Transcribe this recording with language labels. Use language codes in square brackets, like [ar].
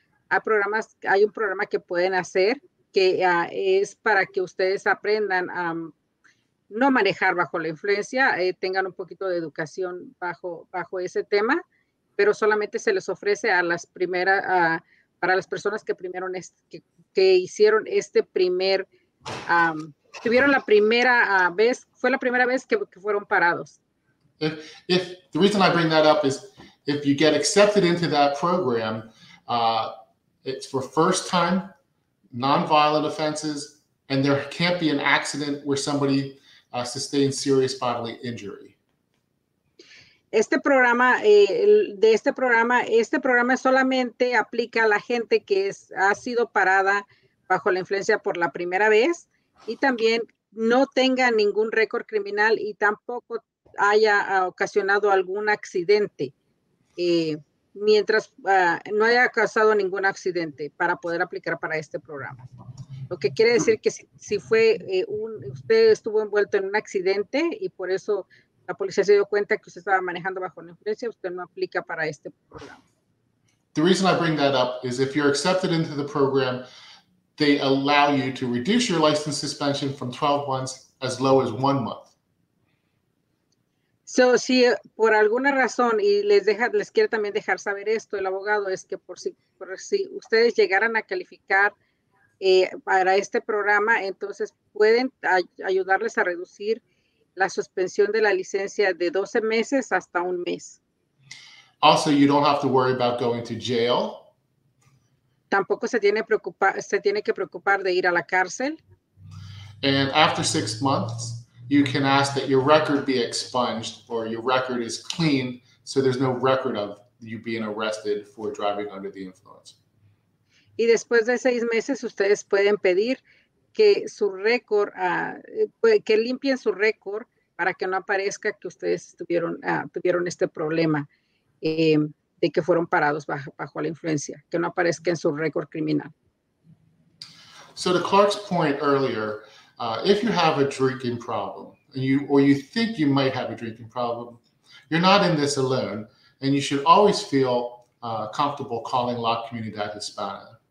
[es] Hay un programa que pueden hacer que es para que ustedes aprendan a no manejar bajo la influencia, tengan un poquito de educación bajo ese tema, pero solamente se les ofrece a las primeras, para las personas que primero que hicieron este primer, tuvieron la primera vez, fue la primera vez que fueron parados. [en] If the reason I bring that up is if you get accepted into that program, it's for first time, nonviolent offenses, and there can't be an accident where somebody sustained serious bodily injury. [es] Este programa solamente aplica a la gente que ha sido parada bajo la influencia por la primera vez y también no tenga ningún récord criminal y tampoco haya ocasionado algún accidente, mientras no haya causado ningún accidente para poder aplicar para este programa. Lo que quiere decir que usted estuvo envuelto en un accidente y por eso la policía se dio cuenta que usted estaba manejando bajo la influencia, usted no aplica para este programa. [en] The reason I bring that up is if you're accepted into the program, they allow you to reduce your license suspension from 12 months as low as 1 month. [es] So, si por alguna razón, y les quiere también dejar saber esto, el abogado, es que por si ustedes llegaran a calificar para este programa, entonces pueden ayudarles a reducir la suspensión de la licencia de 12 meses hasta 1 mes. [en] Also, you don't have to worry about going to jail. [es] Tampoco se tiene que preocupar de ir a la cárcel. [en] And after 6 months, you can ask that your record be expunged or your record is clean, so there's no record of you being arrested for driving under the influence. [es] Y después de 6 meses, ustedes pueden pedir que su récord, que limpien su récord para que no aparezca que ustedes tuvieron este problema de que fueron parados bajo la influencia, que no aparezca en su récord criminal. [en] So to Clark's point earlier, if you have a drinking problem, or you think you might have a drinking problem, you're not in this alone, and you should always feel comfortable calling La Comunidad Hispana.